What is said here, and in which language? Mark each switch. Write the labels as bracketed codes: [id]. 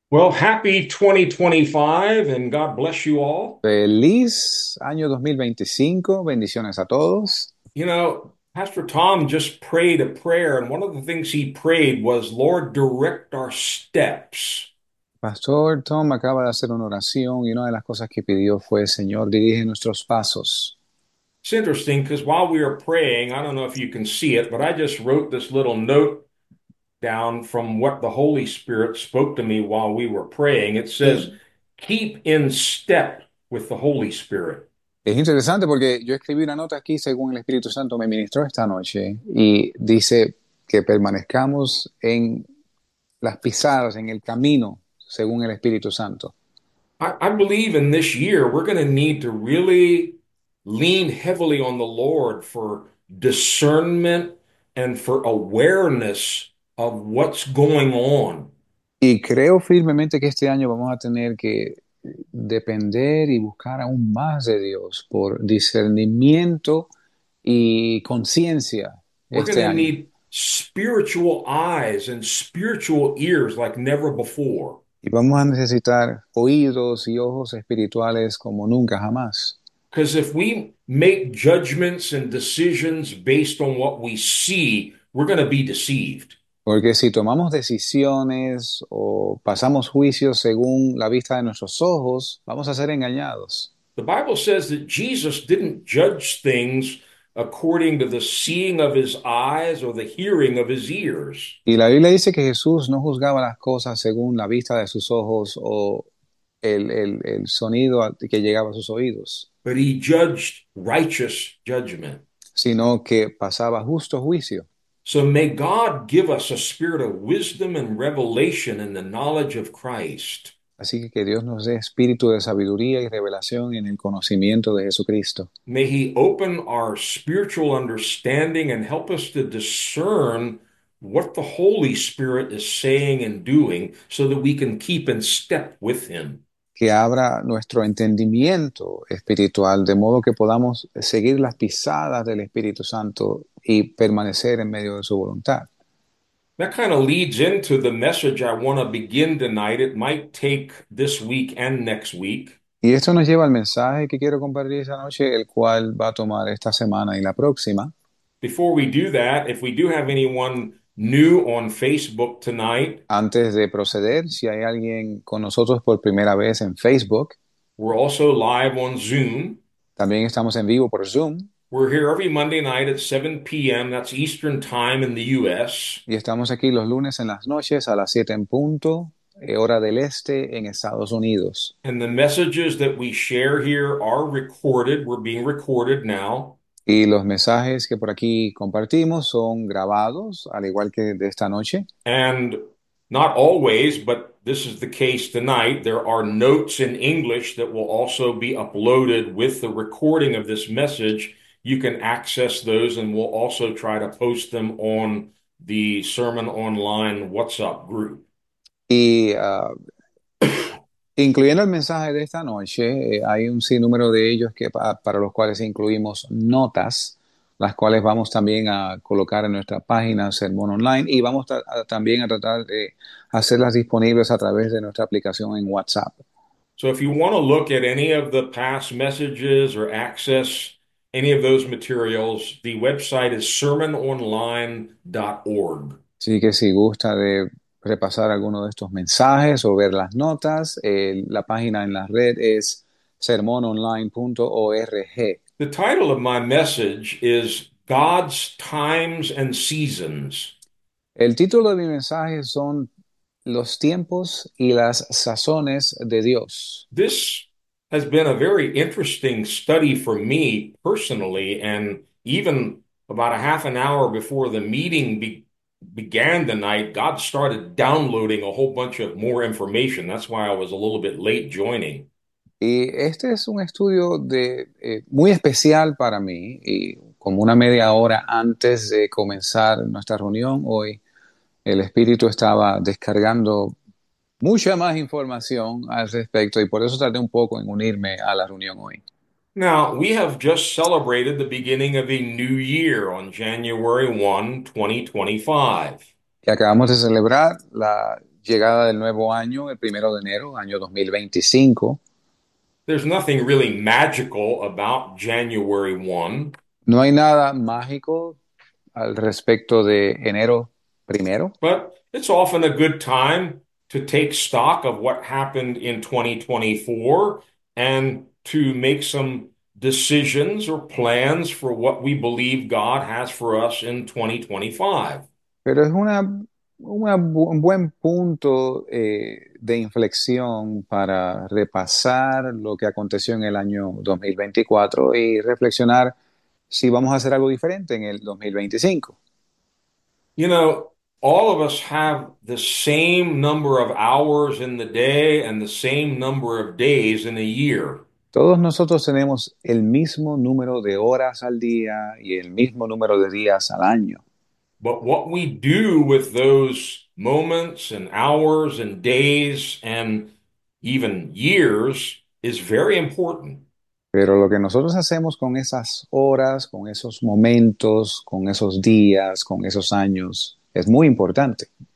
[en] Well, happy 2025 and God bless you all. [es] Feliz año 2025. Bendiciones a todos. [en] Pastor Tom just prayed a prayer, and one of the things he prayed was, Lord, direct our steps. [es] Pastor Tom acaba de hacer una oración y una de las cosas que pidió fue, Señor, dirige nuestros pasos. [en] It's interesting because while we are praying, I don't know if you can see it, but I just wrote this little note down from what the Holy Spirit spoke to me while we were praying. It says, keep in step with the Holy Spirit. [es] Es interesante porque yo escribí una nota aquí según el Espíritu Santo me ministró esta noche y dice que permanezcamos en las pisadas, en el camino, según el Espíritu Santo. [en] I believe in this year we're going to need to really lean heavily on the Lord for discernment and for awareness of what's going on. [es] Y creo firmemente que este año vamos a tener que depender y buscar aún más de Dios por discernimiento y conciencia [en] We're going [es] este [en] to [es] año. [en] need spiritual eyes and spiritual ears like never before. [es] Y vamos a necesitar oídos y ojos espirituales como nunca jamás. [en] Because if we make judgments and decisions based on what we see, we're going to be deceived. [es] Porque si tomamos decisiones o pasamos juicios según la vista de nuestros ojos, vamos a ser engañados. [en] The Bible says that Jesus didn't judge things according to the seeing of his eyes or the hearing of his ears. [es] Y la Biblia dice que Jesús no juzgaba las cosas según la vista de sus ojos o el sonido que llegaba a sus oídos, [en] But he judged righteous judgment. [es] sino que pasaba justo juicio. [en] So may God give us a spirit of wisdom and revelation in the knowledge of Christ. [es] Así que Dios nos dé espíritu de sabiduría y revelación en el conocimiento de Jesucristo. [en] May he open our spiritual understanding and help us to discern what the Holy Spirit is saying and doing so that we can keep in step with him. [es] Que abra nuestro entendimiento espiritual, de modo que podamos seguir las pisadas del Espíritu Santo y permanecer en medio de su voluntad. [en] That kind of leads into the message I want to begin tonight. It might take this week and next week. [es] Y esto nos lleva al mensaje que quiero compartir esta noche, el cual va a tomar esta semana y la próxima. [en] Before we do that, if we do have anyone new on Facebook tonight, [es] Antes de proceder, si hay alguien con nosotros por primera vez en Facebook, [en] we're also live on Zoom. [es] también estamos en vivo por Zoom. [en] We're here every Monday night at 7 p.m. That's Eastern Time in the U.S. [es] Y estamos aquí los lunes en las noches a las 7 en punto, hora del este en Estados Unidos. [en] And the messages that we share here are recorded. We're being recorded now. [es] Y los mensajes que por aquí compartimos son grabados, al igual que de esta noche. [en] And not always, but this is the case tonight. There are notes in English that will also be uploaded with the recording of this message. You can access those, and we'll also try to post them on the Sermon Online WhatsApp group. [es] Y incluyendo el mensaje de esta noche, hay un sinnúmero de ellos que para los cuales incluimos notas, las cuales vamos también a colocar en nuestra página Sermón Online y vamos también a tratar de hacerlas disponibles a través de nuestra aplicación en WhatsApp. [en] So if you want to look at any of the past messages or access any of those materials, the website is sermononline.org. [es] Así que si gusta de repasar alguno de estos mensajes o ver las notas. La página en la red es sermononline.org. [en] The title of my message is God's Times and Seasons. [es] El título de mi mensaje son Los tiempos y las sazones de Dios. [en] This has been a very interesting study for me personally, and even about a half an hour before the meeting began tonight, God started downloading a whole bunch of more information. That's why I was a little bit late joining. [es] Y este es un estudio muy especial para mí y como una media hora antes de comenzar nuestra reunión hoy, el Espíritu estaba descargando mucha más información al respecto y por eso tardé un poco en unirme a la reunión hoy. [en] Now, we have just celebrated the beginning of a new year on January 1, 2025. [es] Y acabamos de celebrar la llegada del nuevo año, el 1 de enero, año 2025. [en] There's nothing really magical about January 1. [es] No hay nada mágico al respecto de enero primero. [en] But it's often a good time to take stock of what happened in 2024 and to make some decisions or plans for what we believe God has for us in 2025. [es] Pero es un buen punto de inflexión para repasar lo que aconteció en el año 2024 y reflexionar si vamos a hacer algo diferente en el 2025. [en] You know, all of us have the same number of hours in the day and the same number of days in a year. [es] Todos nosotros tenemos el mismo número de horas al día y el mismo número de días al año. [en] But what we do with those moments and hours and days and even years is very important. [es] Pero lo que nosotros hacemos con esas horas, con esos momentos, con esos días, con esos años, es muy importante.